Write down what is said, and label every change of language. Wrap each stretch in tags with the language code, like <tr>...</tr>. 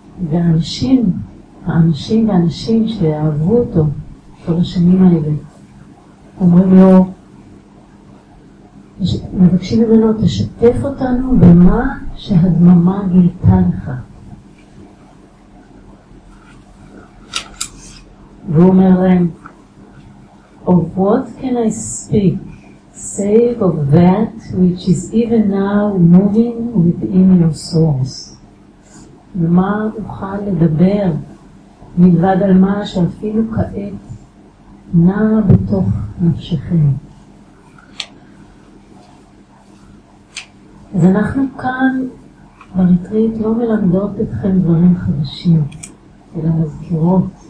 <he>והאנשים, האנשים והאנשים שאהבו אותו כל השנים האלה, אומרים לו, מבקשים ממנו, תשתף אותנו במה שהדממה גילתה לך. והוא אומר להם,</he> <en>of what can I speak, save of that which is even now moving within your souls.</en> <he>ומה אוכל לדבר מלבד על מה שאפילו כעת נע בתוך נפשכם. אז אנחנו כאן בריטריט לא מלמדות אתכם דברים חדשים, אלא מזכירות.</he>